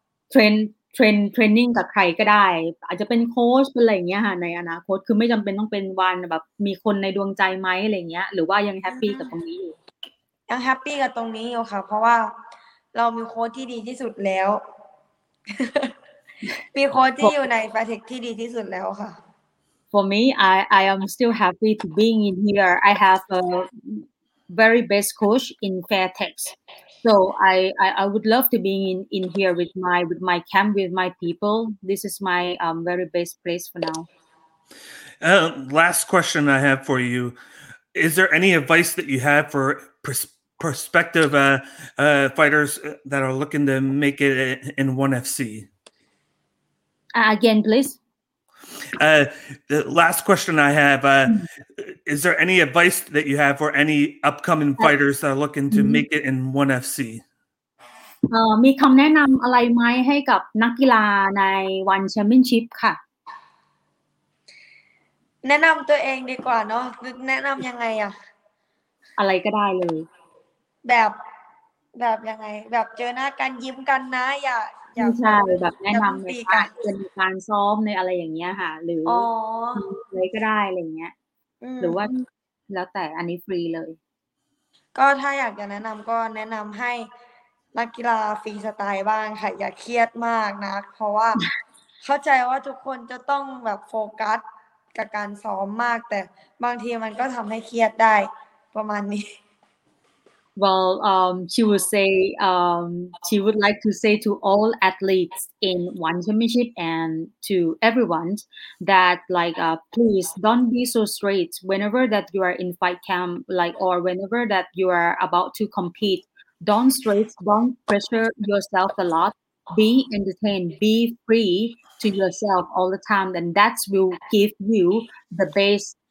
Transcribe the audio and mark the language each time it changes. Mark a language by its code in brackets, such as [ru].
[th] เทรนนิ่งกับใครก็ได้อาจจะเป็นโค้ชเป็นอะไรอย่างเงี้ยค่ะในอนาคตคือไม่จำเป็นต้องเป็นวันแบบมีคนในดวงใจไหมอะไรเงี้ยหรือว่ายังแฮปปี้กับตรงนี้อยู่ยังแฮปปี้กับตรงนี้อยู่ค่ะเพราะว่าเรามีโค้ชที่ดีที่สุดแล้ว มีโค้ชที่อยู่ในแฟร์เทคที่ดีที่สุดแล้วค่ะ [en] For me I am still happy to being in here I have a very best coach in Fairtex So I would love to be in here with my camp with my people. This is my very best place for now. Last question I have for you: Is there any advice that you have for prospective fighters that are looking to make it in ONE FC? Again, please. The last question I have: Is there any advice that you have for any upcoming fighters that are looking to make it in ONE FC? [th] มีคำแนะนำอะไรไหมให้กับนักกีฬาในวันแชมเปี้ยนชิพค่ะ แนะนำตัวเองดีกว่าเนาะแนะนำยังไงอะ อะไรก็ได้เลย แบบยังไงแบบเจอหน้ากันยิ้มกันนะอย่า ไม่ใช่แบบแนะนำในการเป็นการซ้อมในอะไรอย่างเงี้ยค่ะหรื ออ ะไรก็ได้อะไรเงี้ยหรือว่าแล้วแต่อันนี้ฟรีเลย ก็ถ้าอยากจะแนะนำก็แนะนำให้นักกีฬาฟรีสไตล์บ้างค่ะอย่าเครียดมากนะเพราะว่าเข้าใจว่าทุกคนจะต้องแบบโฟกัสกับการซ้อมมากแต่บางทีมันก็ทำให้เครียดได้ประมาณนี้ [en] Well she would say she would like to say to all athletes in ONE Championship and to everyone that like please don't be so straight whenever that you are in fight camp like or whenever that you are about to compete don't pressure yourself a lot be entertained be free to yourself all the time and that will give you the best